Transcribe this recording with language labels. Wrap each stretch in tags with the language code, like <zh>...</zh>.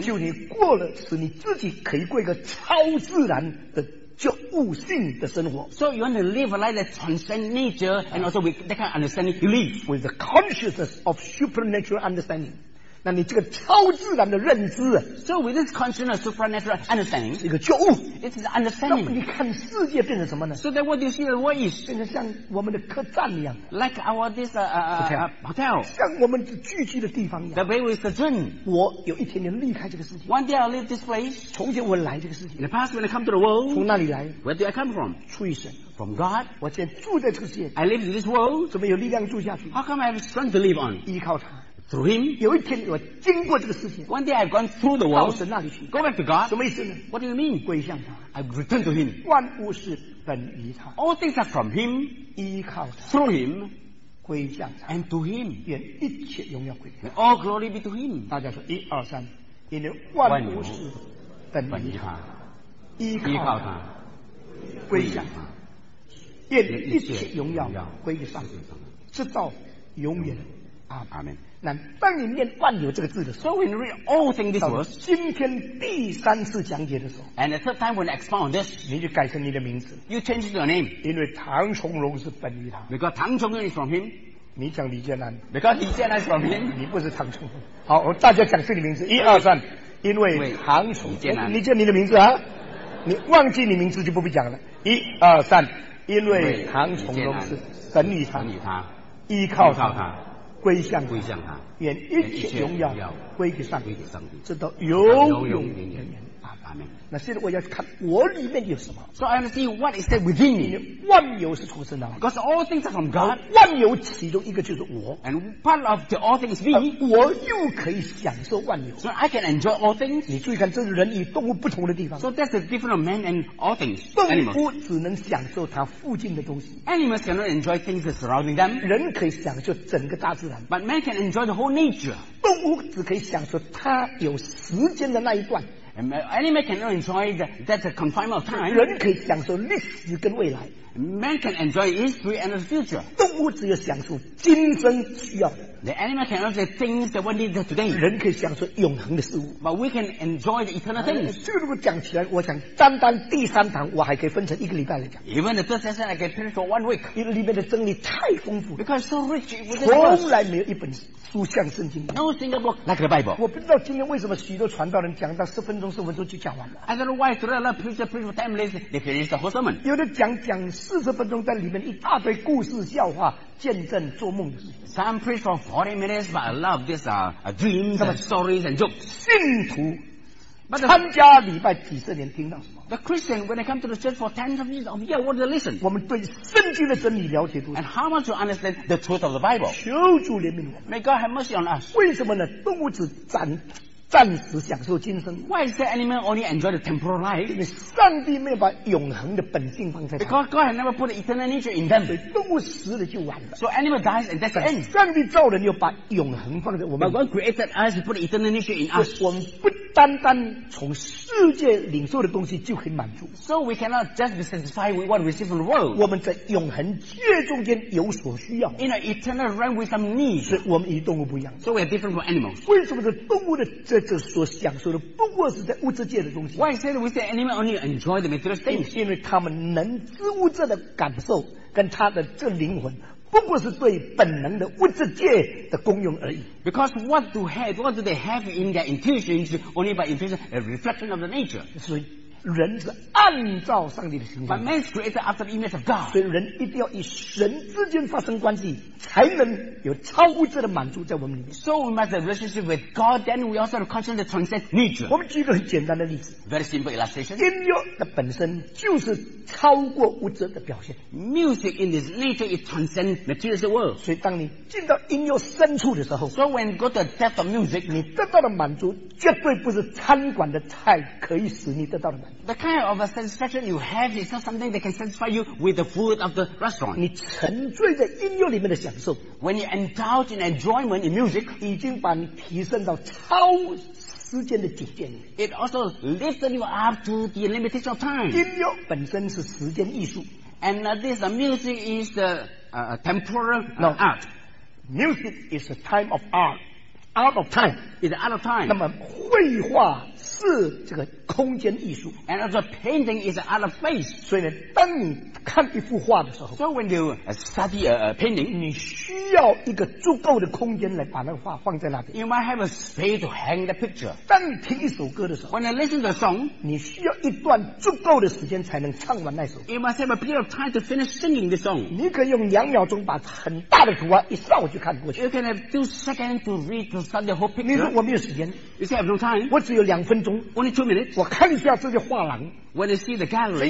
<zh>就你过了使你自己可以过一个超自然的觉悟性的生活。</zh> <en>So you want to live a life that transcends nature and also with that kind of understanding, you live with the consciousness of supernatural understanding.</en> <zh>那你这个超自然的认知</zh> <en>So with this conscious of supernatural understanding</en> <zh>是一个觉悟</zh> <en>It is understanding</en> <zh>那你看世界变成什么呢</zh> <en>So that what you see the world is</en> <zh>变成像我们的客栈一样</zh> <en>Like our this hotel</en> <zh>像我们聚集的地方一样</zh> <en>The way we sojourn</en> <zh>我有一天离开这个世界</zh> <en>One day I leave this place</en> <zh>从前我来这个世界</zh> <en>In the past when I come to the world</en> <zh>从哪里来</zh> <en>Where do I come from</en> <zh>出于神</zh> <en>From God,</en> <zh>我现在住在这个世界</zh> <en>I live in this world</en> <zh>怎么有力量住下去</zh> <en>How come I have strength to live on</en> <zh>依靠他</zh> <en>Through him,</en> <zh>有一天我经过这个世界。</zh> <en>One day I've gone through the world.</en> <zh>到神那里去。</zh> <en>Go back to God.</en> <zh>什么意思呢</zh> <en>？What do you mean?</en> <zh>归向他。</zh> <en>I return to him.</en> <zh>万物是本于他。</zh> <en>All things are from him.</en> <zh>依靠他。</zh> <en>Through him,</en> <zh>归向他。</zh> <en>And to him,</en> <zh>愿一切荣耀归给他。</zh> <en>May all glory be to him.</en> <zh>大家说一二三，因为万物是本于他，依靠他，归向他，愿一切荣耀归给上帝，直到永远。阿门。那当你念万有这个字的时候</zh> <en>，So when you read all things this word，</en> <zh>今天第三次讲解的时候</zh> <en>，And the third time when I expound this，</en> <zh>你就改成你的名字</zh> <en>，You change your name，</en> <zh>因为唐崇荣是本于他</zh> <en>，Because 唐崇荣 is from him，</en> <zh>你讲李建南</zh> <en>，Because 李建南 is from him，</en> <zh>你不是唐崇荣。好，我大家讲自己的名字，一二三，因为唐崇李建南，你讲你的名字啊，你忘记你名字就不必讲了，一二三，因为唐崇荣是本于他，依靠他。归向归向他，愿一切荣耀归给上帝，归给上帝，直到永永远远。阿门。那现在我要看我里面有什么。</zh> <en>So I want to see what is there within me.</en> <zh>万有是出自哪</zh> <en>？Because all things are from God.</en> <zh>万有其中一个就是我。</zh> <en>And part of the all things me.</en> <zh>我又可以享受万有。</zh> <en>So I can enjoy all things.</en> <zh>你注意看，这是人与动物不同的地方。</zh> <en>So that's the difference of man and all things.</en> <zh>动物只能享受它附近的东西。</zh> <en>Animals cannot enjoy things surrounding them.</en> <zh>人可以享受整个大自然。</zh> <en>But man can enjoy the whole nature.</en> <zh>动物只可以享受它有时间的那一段。</zh> <en>Animal can enjoy that confinement of time.</en> <zh>人可以享受历史跟未来。</zh> <en>Man can enjoy history and the future.</en> <zh>动物只有享受今生需要的。</zh> <en>The animal can enjoy things that we need today.</en> <zh>人可以享受永恒的事物。</zh> <en>But we can enjoy the eternal things.</en> <zh>这个如果讲起来，我想单单第三堂，我还可以分成一个礼拜来讲。</zh> <en>Even the third session, I can finish for one week.</en> <zh>因为里面的真理太丰富。</zh> <en>Because so rich,</en> <zh>从来没有一本书像圣经。</zh> <en>No single book like the Bible.</en> <zh>我不知道今天为什么许多传道人讲到十分钟、十五分钟就讲完了。</zh> <en>I don't know why so many preachers preach for 10 minutes, they finish the whole sermon.</en> <zh>有的讲40分钟，在里面一大堆故事、笑话、见证、做梦的事情。</zh> <en>Some preach for 40 minutes, but I love this dreams and stories and jokes.</en> <zh>信徒参加礼拜几十年，听到什么</zh> <en>？The Christian when they come to the church for tens of years of year, what do they listen?</en> <zh>我们对圣经的真理了解多少</zh> <en>？And how much you understand the truth of the Bible?</en> <zh>求主怜悯我们。</zh> <en>May God have mercy on us.</en> <zh>为什么呢？动物只展暂时享受今生。</zh> <en>Why is the animal only enjoy the temporal life?</en> <zh>因为上帝没有把永恒的本性放在。</zh> <en>Because God has never put eternal nature in them.</en> <zh>动物死了就完了。</zh> <en>So animal dies and that's the end.</en> <zh>上帝造人又把永恒放在我们。</zh> <en>But God created us and put eternal nature in us.</en> <zh>我们不单单从世界领受的东西就可以满足。</zh> <en>So we cannot just be satisfied with what we receive from the world.</en> <zh>我们在永恒界中间有所需要。</zh> <en>In an eternal realm with some needs.</en> <zh>是我们与动物不一样。</zh> <en>So we are different from animals.</en> <zh>为什么是动物的这所享受的不过是在物质界的东西。</zh> <en>Why say we say animal only enjoy the material things?</en> <zh>因为他们能知物质的感受，跟他的这灵魂，不过是对本能的物质界的功用而已。</zh> <en>Because what do they have in their intuition? Only by intuition, a reflection of the nature.</en> <zh>所以人是按照上帝的形象。</zh> <en>But man is created after the image of God.</en> <zh>所以人一定要与神之间发生关系，才能有超物质的满足在我们里面。</zh> <en>So we must have a relationship with God, then we also have a conscience to transcend nature.</en> <zh>我们举一个很简单的例子。</zh> <en>Very simple illustration.</en> <zh>音乐的本身就是超过物质的表现。</zh> <en>Music in its nature is transcend material world.</en> <zh>所以当你进到音乐深处的时候</zh> <en>，So when you go to the depth of music,</en> <zh>你得到的满足绝对不是餐馆的菜可以使你得到的满足。</zh> <en>The kind of a satisfaction you have is not something that can satisfy you with the food of the restaurant.</en> <zh>你沉醉在音乐里面的享受。</zh> <en>So, when you indulge in enjoyment in music,</en> <zh>已经把你提升到超时间的境界。</zh> <en>It also lifts you up to the limitation of time.</en> <zh>音乐本身是时间艺术。</zh> <en>And this music is the temporal art. Music is a time of art. Out of time. It's out of time.</en> <zh>那么绘画是这个空间艺术。</zh> <en>And also painting is out of space.</en> <zh>所以呢，当你看一幅画的时候</zh> <en>，So when you study a painting,</en> <zh>你需要一个足够的空间来把那个画放在那边。</zh> <en>You might have a space to hang the picture.</en> <zh>当你听一首歌的时候</zh> <en>，When you listen to a song,</en> <zh>你需要一段足够的时间才能唱完那首。</zh> <en>You must have a period of time to finish singing the song.</en> <zh>你可以用两秒钟把很大的图案一扫就看过去。</zh> <en>You can have 2 seconds to read to study the whole picture.</en> <zh>你说我没有时间</zh> <en>，You say I have no time.</en> <zh>我只有两分钟</zh> <en>，Only 2 minutes.</en> <zh>我看一下这些画廊。</zh> <en>When you see the gallery,</en>